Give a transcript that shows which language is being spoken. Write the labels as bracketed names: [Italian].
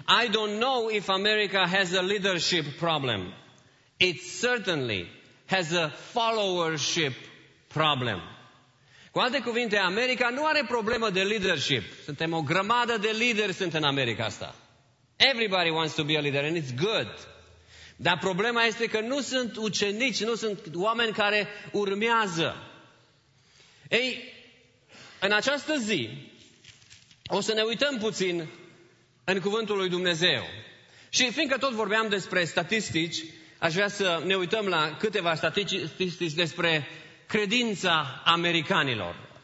[English] I don't know if America has a leadership problem. It certainly has a followership problem. [Romanian] Cu alte cuvinte, America nu are problemă de leadership. Suntem o grămadă de lideri sunt în America asta. [English] Everybody wants to be a leader and it's good. [Romanian] Dar problema este că nu sunt ucenici, nu sunt oameni care urmează. Ei, în această zi, o să ne uităm puțin în cuvântul lui Dumnezeu. Și fiindcă tot vorbeam despre statistici, aș vrea să ne uităm la câteva statistici despre credința americanilor.